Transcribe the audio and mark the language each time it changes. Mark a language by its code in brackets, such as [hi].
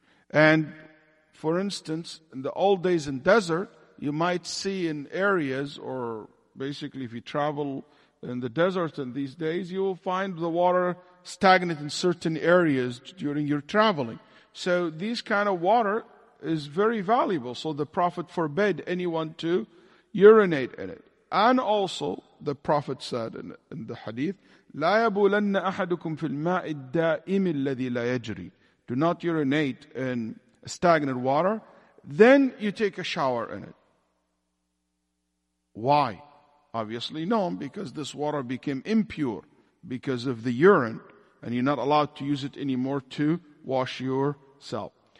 [en] And for instance, in the old days in desert, you might see in areas, or basically if you travel in the desert in these days, you will find the water stagnant in certain areas during your traveling. So these kind of water is very valuable. So the Prophet forbid anyone to urinate in it. And also the Prophet said in the hadith, [ar] لَا يَبُولَنَّ أَحَدُكُمْ فِي الْمَاءِ الدَّائِمِ الَّذِي لَا يَجْرِي. [en] Do not urinate in stagnant water. Then you take a shower in it. Why? Obviously no, because this water became impure because of the urine, and you're not allowed to use it anymore to wash yourself.